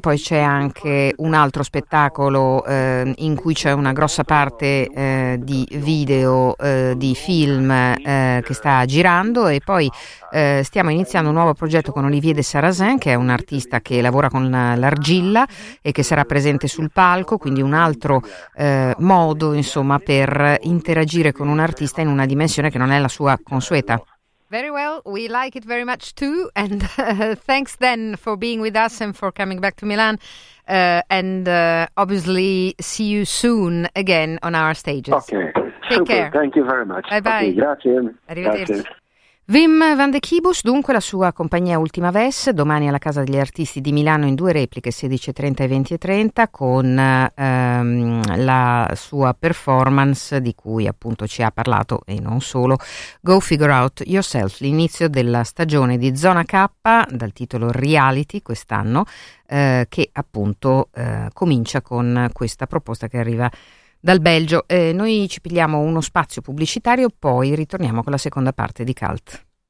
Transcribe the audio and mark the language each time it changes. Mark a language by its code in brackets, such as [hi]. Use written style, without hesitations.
[it] Poi c'è anche un altro spettacolo in cui c'è una grossa parte di video, di film che sta girando. E poi stiamo iniziando un nuovo progetto con Olivier de Sarrazin, che è un artista che lavora con l'argilla e che sarà presente sul palco, quindi un altro modo, insomma, per interagire con un artista in una dimensione che non è la sua consueta. [en] Very well, we like it very much too, and thanks then for being with us and for coming back to Milan, and obviously see you soon again on our stages. Okay, take super, care. Thank you very much. Bye bye. [it] Okay, grazie. Arrivederci. Grazie. Wim van de Kibus, dunque, la sua compagnia Ultima Ves, domani alla Casa degli Artisti di Milano in due repliche, 16.30 e 20.30, con la sua performance di cui appunto ci ha parlato, e non solo, Go Figure Out Yourself, l'inizio della stagione di Zona K, dal titolo Reality, quest'anno, che appunto comincia con questa proposta che arriva dal Belgio. Noi ci pigliamo uno spazio pubblicitario, poi ritorniamo con la seconda parte di Cult.